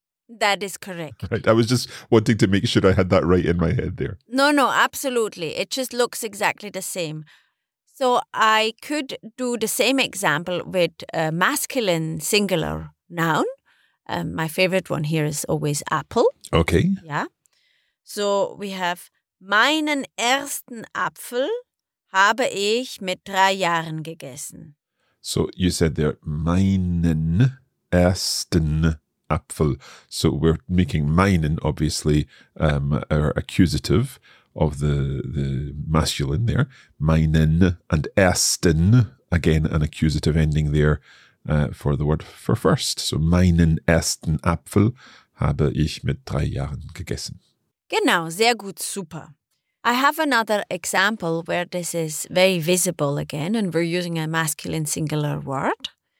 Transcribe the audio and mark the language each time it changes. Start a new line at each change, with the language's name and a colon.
English: That is correct. Right. I was just wanting to make sure I had that right in my head there. No, no, absolutely. It just looks exactly the same. So I could do the same example with a masculine singular noun. My favorite one here is always apple. Okay. Yeah. So we have,
German: meinen ersten Apfel habe ich mit 3 Jahren gegessen.
English: So you said there,
German: meinen ersten Apfel.
English: So we're making meinen, obviously, our accusative of the masculine there. Meinen and ersten, again, an accusative ending there for the word for first.
German: So meinen ersten Apfel habe ich mit 3 Jahren gegessen. Genau, sehr gut, super.
English: I have another example where this is very visible again and we're using a masculine singular word.